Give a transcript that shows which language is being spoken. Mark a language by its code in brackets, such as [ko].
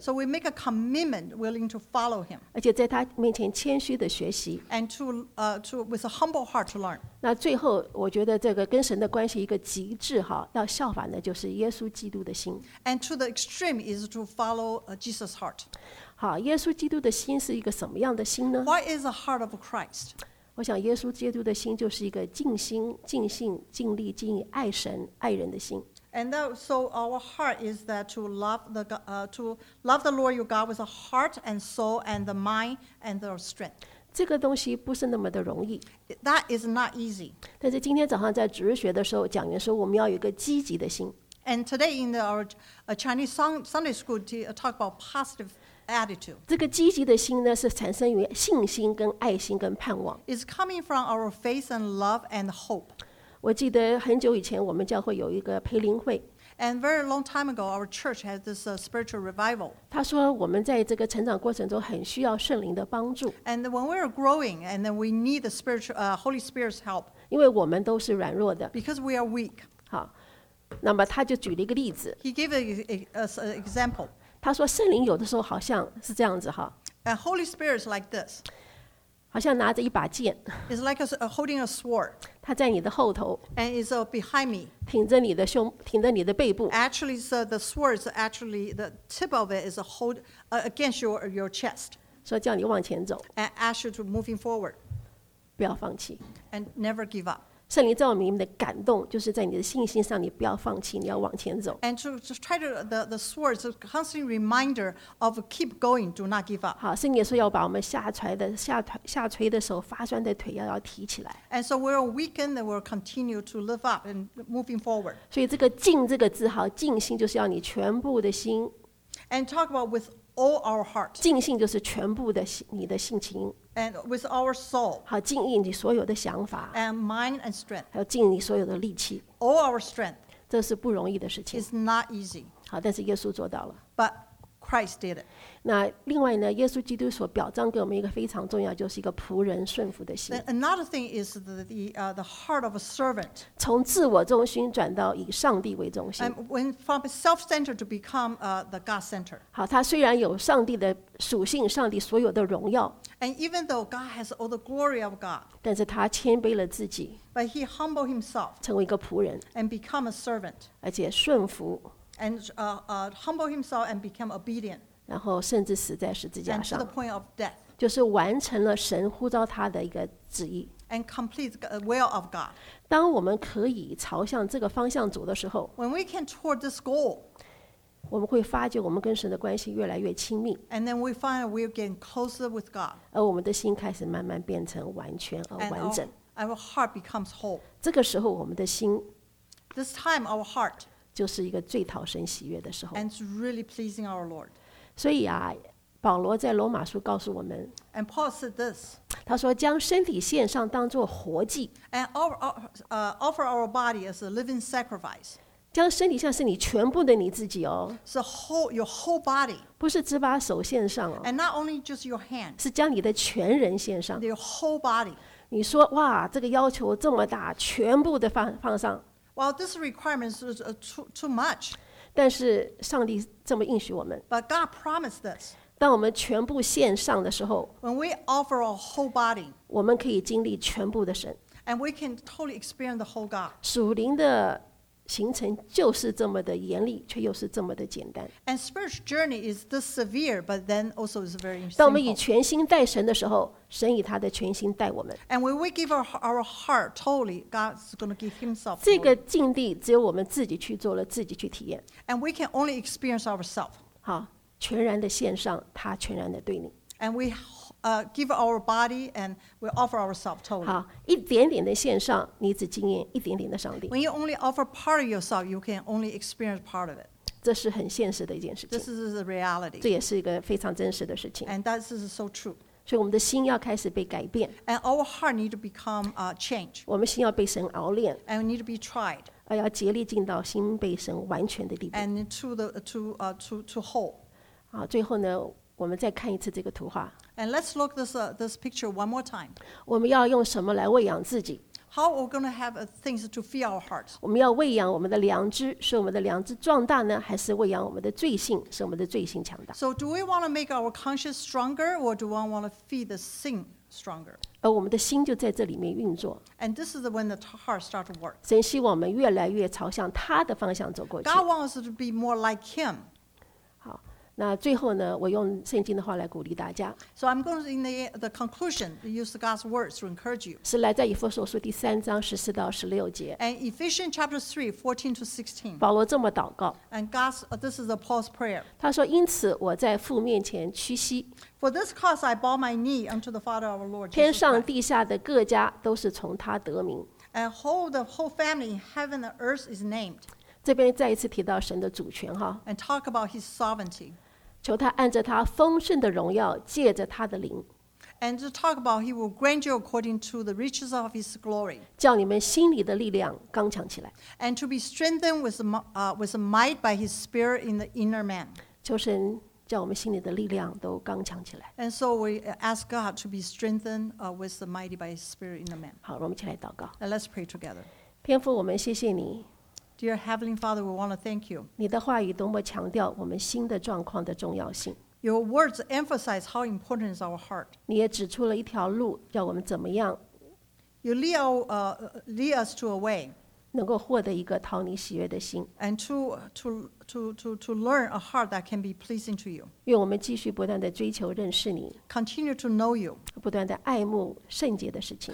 [en] So we make a commitment, willing to follow him. [zh] 而且在他面前谦虚的学习。 [en] And to with a humble heart to learn. [zh] 那最后，我觉得这个跟神的关系一个极致哈，要效法的就是耶稣基督的心。 [en] And to the extreme is to follow Jesus' heart. [zh] 好，耶稣基督的心是一个什么样的心呢 [en] ？What is the heart of Christ? [zh] 我想耶稣基督的心就是一个尽心尽性尽力尽意爱神爱人的心。 [en] And that, so our heart is that to love the Lord your God with a heart and soul and the mind and the strength. [zh] 这个东西不是那么的容易。 [en] That is not easy. [zh] 但是今天早上在主日学的时候，讲员说我们要有一个积极的心。 [en] And today in our Chinese Sunday school talk about positive attitude. [zh] 这个积极的心呢，是产生于信心跟爱心跟盼望。 [en] It's coming from our faith and love and hope. [zh] 我记得很久以前我们教会有一个培灵会。 [en] And very long time ago, our church had this spiritual revival. [zh] 他说我们在这个成长过程中很需要圣灵的帮助。 [en] And when we are growing, and then we need the spiritual, Holy Spirit's help. [zh] 因为我们都是软弱的。 [en] Because we are weak. [zh] 好，那么他就举了一个例子。 [en] He gave us an example. [zh] 他说圣灵有的时候好像是这样子哈。 [en] And Holy Spirit's like this. [zh] 好像拿着一把剑 [en] It's like holding a sword. [zh] 它在你的后头 [en] And it's behind me. [zh] 挺着你的胸，挺着你的背部 [en] Actually, the sword is actually, the tip of it is hold against your chest. [zh] 说叫你往前走 [en] And ask you to moving forward. [zh] 不要放弃 [en] And never give up. [zh] 圣灵在我们里面的感动就是在你的信心上你不要放弃你要往前走 [en] And to try to, the sword is a constant reminder of keep going, do not give up [zh] 好圣灵说要把我们下垂的手发酸的腿 要提起来 [en] And so we're weakened and we'll continue to live up and moving forward [zh] 所以这个静这个字好静心就是要你全部的心 [en] And talk about with all our heart [zh] 静心就是全部的你的性情 [en] And with our soul, [zh] 好尽意你所有的想法 [en] and mind and strength, [zh] 还有尽你所有的力气 [en] all our strength, [zh] 这是不容易的事情 [en] is not easy. [zh] 好，但是耶稣做到了 [en] but Christ did it. [zh] 那另外呢，耶稣基督所表彰给我们一个非常重要，就是一个仆人顺服的心 [en] Another thing is the heart of a servant. [zh] 从自我中心转到以上帝为中心 [en] and when from self-centered to become the God-centered. [zh] 好，他虽然有上帝的属性，上帝所有的荣耀。 [en] And even though God has all the glory of God, [zh] 但是他谦卑了自己 [en] but he humbled himself, [zh] 成为一个仆人 [en] and become a servant, [zh] 而且顺服 [en] and humble himself and become obedient, [zh] 然后甚至死在十字架上 [en] and to the point of death, [zh] 就是完成了神呼召他的一个旨意 [en] and complete the will of God. [zh] 当我们可以朝向这个方向走的时候 [en] when we can toward this goal, [zh] 我们会发觉我们跟神的关系越来越亲密 [en] And then we find we're getting closer with God [zh] 而我们的心开始慢慢变成完全而完整 [en] And our heart becomes whole [zh] 这个时候我们的心 [en] This time our heart [zh] 就是一个最讨神喜悦的时候 [en] And it's really pleasing our Lord [zh] 所以啊保罗在罗马书告诉我们 [en] And Paul said this [zh] 他说将身体献上当作活祭 [en] And offer our body as a living sacrifice [zh] 将身体像是你全部的你自己哦 [en] It's whole, your whole body [zh] 不是只把手献上哦 [en] And not only just your hand [zh] 是将你的全人献上 [en] Your whole body [zh] 你说哇这个要求这么大全部的 放上 [en] Well this requirement is too much [zh] 但是上帝这么应许我们 [en] But God promised this [zh] 当我们全部献上的时候 [en] When we offer our whole body [zh] 我们可以经历全部的神 [en] And we can totally experience the whole God [zh] 属灵的行程就是这么的严厉，却又是这么的简单。 [en] And spiritual journey is this severe, but then also is very simple. [zh] 当我们以全心待神的时候，神以他的全心待我们。 [en] And when we give our heart totally, God is going to give Himself. [zh] 这个境地只有我们自己去做了，自己去体验。 [en] And we can only experience ourselves. [zh] 好，全然的献上，他全然的对你。 [en] And we give our body and we offer ourselves totally. [zh] 好，一点点的献上，你只经验一点点的上帝。 [en] When you only offer part of yourself, you can only experience part of it. [zh] 这是很现实的一件事情。 [en] This is a reality. [zh] 这也是一个非常真实的事情。 [en] And that is so true. [zh] 所以我们的心要开始被改变。 [en] And our heart need to become changed. [zh] 我们心要被神熬炼。 [en] And we need to be tried. [zh] 而要竭力尽到心被神完全的地步。 [en] And to whole. [zh] 好，最后呢？我们再看一次这个图画。 [en] And let's look this picture one more time. [zh] 我们要用什么来喂养自己 [en] ？How are we going to have things to feed our hearts? [zh] 我们要喂养我们的良知，使我们的良知壮大呢，还是喂养我们的罪性，使我们的罪性强大 [en] ？So do we want to make our conscience stronger, or do we want to feed the sin stronger? [zh] 而我们的心就在这里面运作。 [en] And this is when the heart starts to work. [zh] 神希望我们越来越朝向他的方向走过去。 [en] God wants us to be more like Him. [zh] 好，那最后呢，我用圣经的话来鼓励大家。 [en] So I'm going to in the conclusion use God's words to encourage you. [zh] 是来在以弗所书第三章十四到十六节。 [en] And Ephesians chapter 3:14-16. [zh] 保罗这么祷告。 [en] And God's this is a Paul's prayer. [zh] 他说：“因此我在父面前屈膝。” [en] For this cause I bow my knee unto the Father our Lord. [zh] 天上地下的各家都是从他得名。 [en] And the whole family in heaven and earth is named. [zh] 这边再一次提到神的主权哈 [en] ，and talk about His sovereignty， [zh] 求他按着他丰盛的荣耀，借着他的灵 [en] ，and to talk about He will grant you according to the riches of His glory， [zh] 叫你们心里的力量刚强起来 [en] ，and to be strengthened with might by His Spirit in the inner man， [zh] 求神叫我们心里的力量都刚强起来 [en] ，and so we ask God to be strengthened with the mighty by His Spirit in the man。 [zh] 好，我们一起来祷告 [en] ，and let's pray together。 [zh] 天父，我们谢谢你。 [en] Dear Heavenly Father, we want to thank you. [zh] 你的话语多么强调我们心的状况的重要性。 [en] Your words emphasize how important is our heart. [zh] 你也指出了一条路，叫我们怎么样。 [en] You lead us to a way. [zh] 能够获得一个讨你喜悦的心。 [en] And to learn a heart that can be pleasing to you. [zh] 愿我们继续不断地追求认识你。 [en] Continue to know you. [zh] 不断地爱慕圣洁的事情。